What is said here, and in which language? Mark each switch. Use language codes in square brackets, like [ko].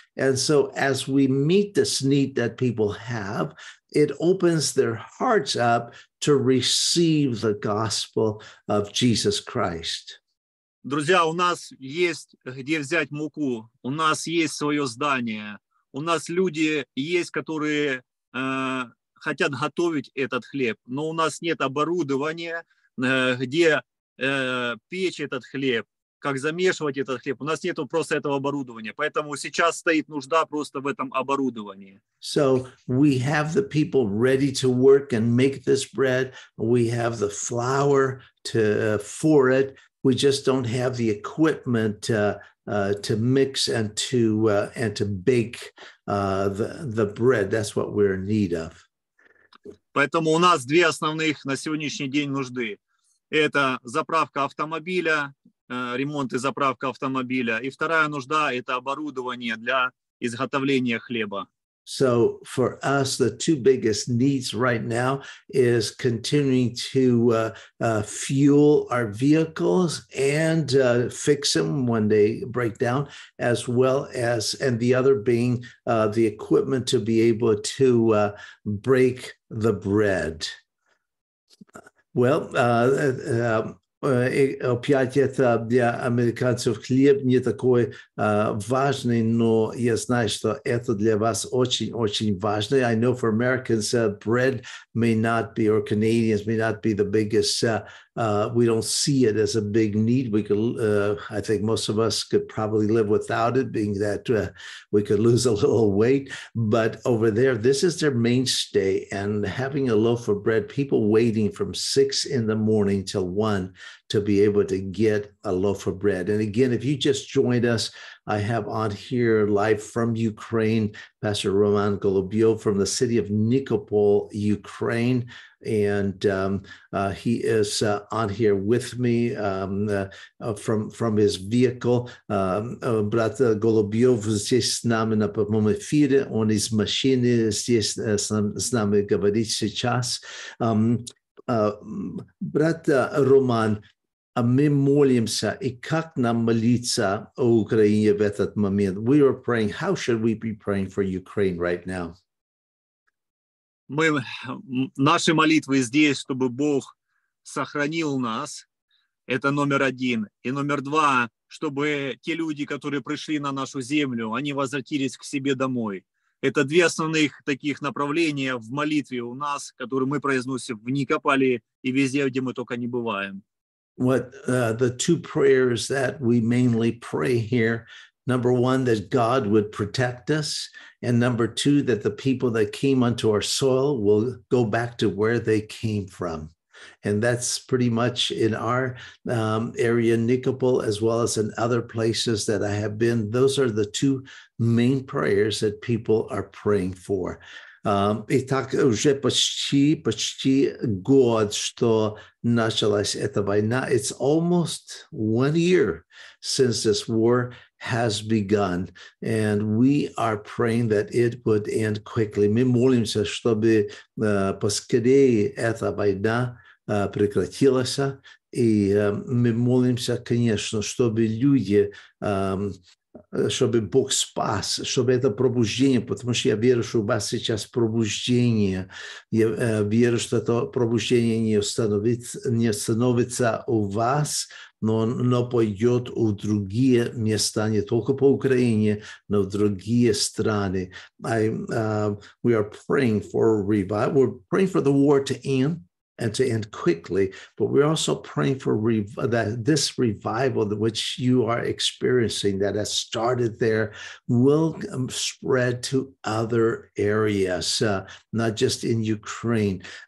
[en] And so as we meet this need that people have, it opens their hearts up to receive the gospel of Jesus Christ. [ru] Друзья, у нас есть где взять муку, у нас есть свое здание. У нас люди есть, которые хотят готовить этот хлеб, но у нас нет оборудования, где печь этот хлеб. как замешивать этот хлеб. У нас нету просто этого оборудования. Поэтому сейчас стоит нужда просто в этом оборудовании. [en] So we have the people ready to work and make this bread. We have the flour to for it. We just don't have the equipment to mix and to bake the bread. That's what we're in need of. [ru] Поэтому у нас две основных на сегодняшний день нужды. Это заправка автомобиля, ремонт и заправка автомобиля. И вторая нужда – это оборудование для изготовления хлеба. [en] So for us, the two biggest needs right now is continuing to fuel our vehicles and fix them when they break down, as well as, and the other being the equipment to be able to break the bread. Well, [ru] опять-таки, для американцев хлеб не такой важный, но я знаю, что это для вас очень-очень важно. [en] I know for Americans, bread may not be, or Canadians may not be the biggest, we don't see it as a big need. We could, I think most of us could probably live without it, being that we could lose a little weight. But over there, this is their mainstay, and having a loaf of bread, people waiting from 6 in the morning till 1 to be able to get a loaf of bread. And again, if you just joined us, I have on here live from Ukraine, Pastor Roman Golubev from the city of Nikopol, Ukraine. And he is on here with me from his vehicle. [ru] Брат Голубев здесь с нами на прямом эфире. Он из машины здесь с нами говорит сейчас. Брат Роман, мы молимся, и как нам молиться о Украине в этот момент? [en] We are praying. How should we be praying for Ukraine right now? [ru] Мы, наши молитвы здесь, чтобы Бог сохранил нас, это номер один. И номер два, чтобы те люди, которые пришли на нашу землю, они возвратились к себе домой. Это две основных таких направления в молитве у нас, которые мы произносим в Никополе и везде, где мы только не бываем. [en] What the two prayers that we mainly pray here. Number one, that God would protect us. And number two, that the people that came onto our soil will go back to where they came from. And that's pretty much in our area, Nikopol, as well as in other places that I have been. Those are the two main prayers that people are praying for. [ru] Итак, уже почти год, что началась эта война. [en] It's almost 1 year since this war has begun, and we are praying that it would end quickly. [ru] Мы молимся, чтобы поскорее эта война прекратилась, и мы молимся, конечно, чтобы люди, чтобы Бог спас, чтобы это пробуждение, потому что я верю, что у вас сейчас пробуждение. Я верю, что это пробуждение не остановится у вас, но пойдет в другие места, не только по Украине, но в другие страны. [en] We are praying for a revival. We're praying for the war to end and to end quickly, but we're also praying for that this revival that which you are experiencing that has started there will spread to other areas, not just in Ukraine.